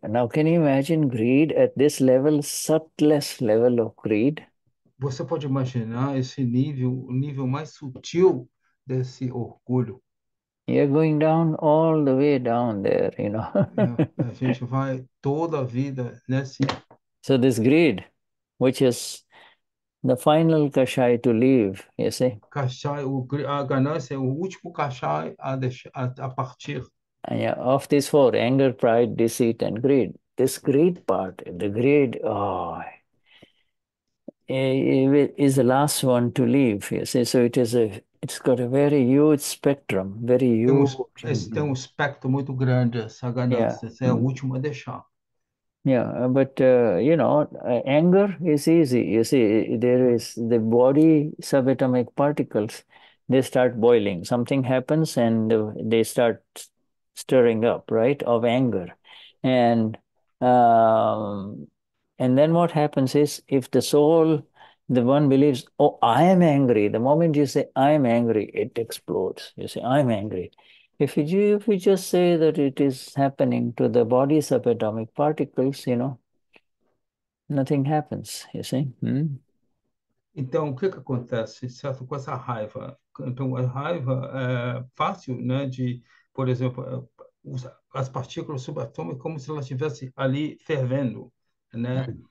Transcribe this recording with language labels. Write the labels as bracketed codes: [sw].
[en] Now, can you imagine greed at this level, subtlest level of greed? [pt] Você pode imaginar esse nível, o nível mais sutil desse orgulho? [en] You're going down all the way down there, you know. [pt] A gente vai toda a vida nesse. [en] So this greed, which is the final kashai to leave, you see? [pt] Kashai, a ganância, o último kashai a partir. [en] Of these four, anger, pride, deceit, and greed. This greed part, the greed, is the last one to leave, you see? So it's got a very huge spectrum, very huge. [pt] Tem um espectro muito grande, essa ganância, essa é a última a deixar. [en] Yeah, but, you know, anger is easy. You see, there is the body subatomic particles, they start boiling. Something happens and they start stirring up, right, of anger. And then what happens is, if the soul, the one believes, oh, I am angry, the moment you say, I am angry, it explodes. You say, I am angry. If you just say that it is happening to the bodies of atomic particles, you know, nothing happens, you see. [pt] Então, o que que acontece, certo, com essa raiva? Então, a raiva é fácil, né, de, por exemplo, as partículas subatômicas, como se elas estivessem ali fervendo, né?